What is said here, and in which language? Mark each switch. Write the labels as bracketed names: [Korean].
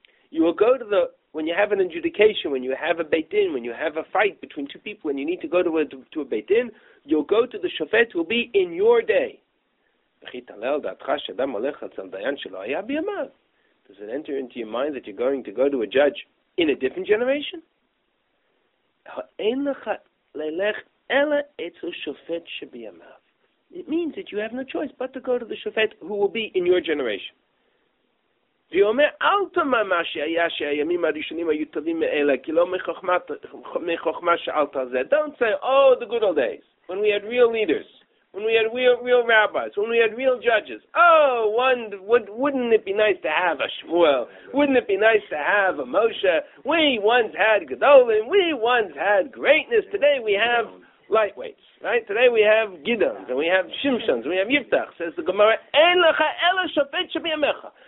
[English] You will go to the, when you have an adjudication, when you have a Beit Din, when you have a fight between two people and you need to go to a Beit Din, you'll go to the Shofet who will be in your day. [Hebrew] וכי תעלה על דעתך שאדם הולך אצל דיין שלא היה בימיו? [English] Does it enter into your mind that you're going to go to a judge in a different generation? [Hebrew] אין לך ללך אלא אצל שופט שבימיו. [English] It means that you have no choice but to go to the shofet who will be in your generation. [Hebrew] ויאמר אל תמה מה שהיה שהימים הראשונים היו טובים מאלה, כי לא מחוכמה שאלת על זה. [English] Don't say, oh, the good old days, when we had real leaders, when we had real rabbis, when we had real judges. Oh, wouldn't it be nice to have a Shmuel? Wouldn't it be nice to have a Moshe? We once had Gedolim, we once had greatness. Today we have lightweights, right? Today we have Gidons, and we have Shimshons, and we have Yiftach, says the Gemara, [Hebrew] Ein lecha ela shofet shebiyamecha.